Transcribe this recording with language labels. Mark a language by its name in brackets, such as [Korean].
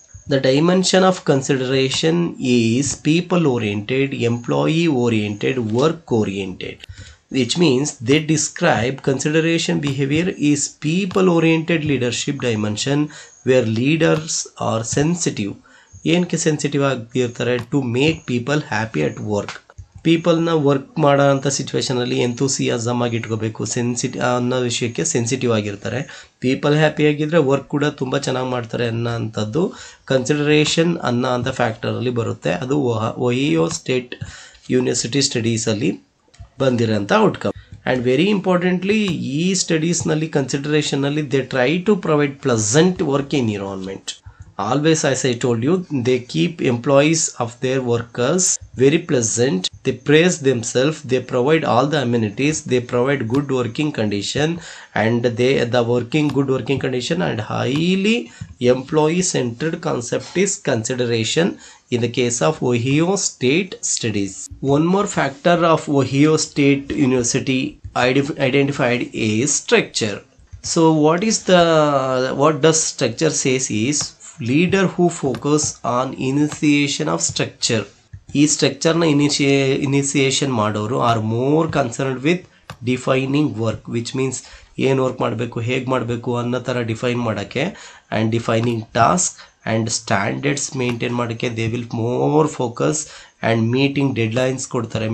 [English] The dimension of consideration is people-oriented, employee-oriented, work-oriented, which means they describe consideration behavior is people-oriented leadership dimension where leaders are sensitive. [Kannada] ಏನಕ್ಕೆ sensitive ಆಗಿರ್ತಾರೆ? [English] To make people happy at work. [Kannada] ಪೀಪಲ್ನ work ಮಾಡೋಂಥ ಸಿಚುವೇಷನಲ್ಲಿ enthusiasm ಆಗಿಟ್ಕೋಬೇಕು, sensitive ಅನ್ನೋ ವಿಷಯಕ್ಕೆ sensitive ಆಗಿರ್ತಾರೆ. People happy ಆಗಿದ್ದರೆ work ಕೂಡ ತುಂಬ ಚೆನ್ನಾಗಿ ಮಾಡ್ತಾರೆ ಅನ್ನೋಂಥದ್ದು ಕನ್ಸಿಡರೇಷನ್ ಅನ್ನೋ ಅಂಥ ಫ್ಯಾಕ್ಟರಲ್ಲಿ ಬರುತ್ತೆ. ಅದು ಒಹಿಯೋ state university ಸ್ಟಡೀಸಲ್ಲಿ ಬಂದಿರೋಂಥ outcome. [English] and very importantly [Kannada] ಈ ಸ್ಟಡೀಸ್ನಲ್ಲಿ ಕನ್ಸಿಡರೇಷನ್ನಲ್ಲಿ [English] They try to provide pleasant work environment. Always, as I told you, they keep employees of their workers very pleasant. They praise themselves. They provide all the amenities. They provide good working condition and good working condition and highly employee-centered concept is consideration in the case of Ohio State studies. One more factor of Ohio State University identified is structure. So what does structure say is leader who focus on initiation of structure. [Kannada] ಈ ಸ್ಟ್ರಕ್ಚರ್ನ initiation ಮಾಡೋರು [English] are more concerned with defining work, which means [Kannada] ಏನು work ಮಾಡಬೇಕು, ಹೇಗೆ ಮಾಡಬೇಕು ಅನ್ನೋ ಥರ define ಮಾಡೋಕ್ಕೆ [English] and defining task and standards maintain ಮಾಡೋಕ್ಕೆ they will more focus and meeting deadlines [Kannada] ಕೊಡ್ತಾರೆ.